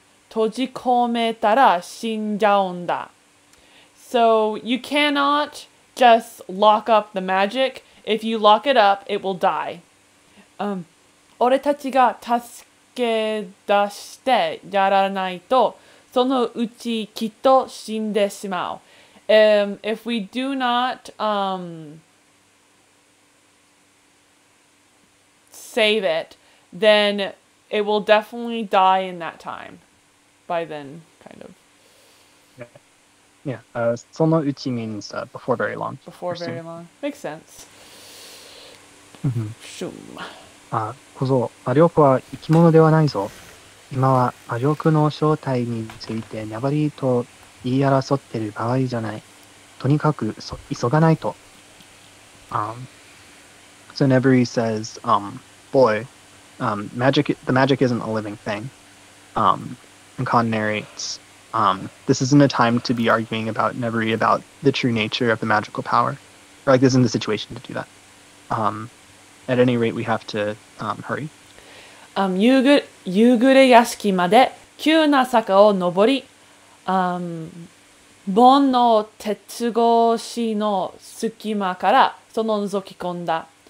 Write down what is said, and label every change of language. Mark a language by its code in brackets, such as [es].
[ja] 閉じ込めたら死んじゃうんだ。 [en] So you cannot just lock up the magic. If you lock it up, it will die. [ja] 俺たちが助け出してやらないと、そのうちきっと死んでしまう。 [en] If we do not save it, then it will definitely die in that time. By then, kind of. Yeah. そのうち means before very long. Before very long. Makes sense. Shum. [ja] Ah, 小僧、魔力は生き物ではないぞ。今は魔力の正体についてにゃばりと言い争ってる場合じゃない。とにかく急がないと。 [en] So Neburi says, boy, the magic isn't a living thing. And Khan narrates, this isn't a time to be arguing about Neburi about the true nature of the magical power. Or, like, this isn't the situation to do that. At any rate, we have to hurry. [ja] 夕暮れ屋敷まで急な坂を登り、門の鉄格子の隙間からその覗き込んだ。